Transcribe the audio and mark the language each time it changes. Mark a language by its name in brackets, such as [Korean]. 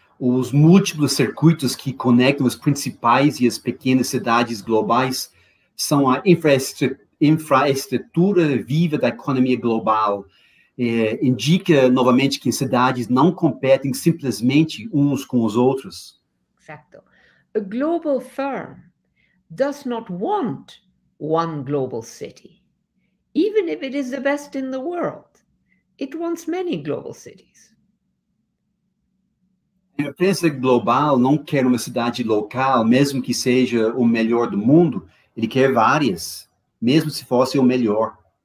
[Portuguese] Os múltiplos circuitos que conectam as principais e as pequenas cidades globais são a infraestrutura viva da economia global. É, indica novamente que cidades não competem simplesmente uns com os outros. Exato. [English] A global firm does not want one global city, even if it is the best in the world. It wants many global cities. [Portuguese] A empresa global não quer uma cidade local, mesmo que seja o melhor do mundo. Ele quer várias, mesmo se fosse o melhor.